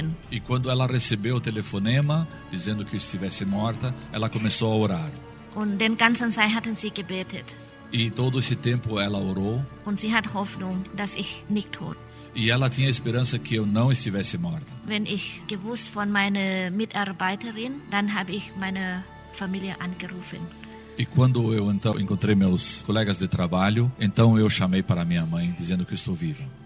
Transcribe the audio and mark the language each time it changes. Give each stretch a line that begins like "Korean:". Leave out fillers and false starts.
Portuguese: E quando ela recebeu o telefonema dizendo que estivesse morta, ela começou a orar.
German: Und den ganzen Zeit hatten sie gebetet.
Portuguese: E todo esse tempo ela orou.
German: Und sie hat Hoffnung, dass ich nicht tot.
Portuguese: E ela tinha esperança que eu não estivesse morta.
German: Wenn ich gewusst von meiner Mitarbeiterin, dann habe ich meine Familie angerufen.
Portuguese: E quando eu então encontrei meus colegas de trabalho, então eu chamei para minha mãe dizendo que estou vivo.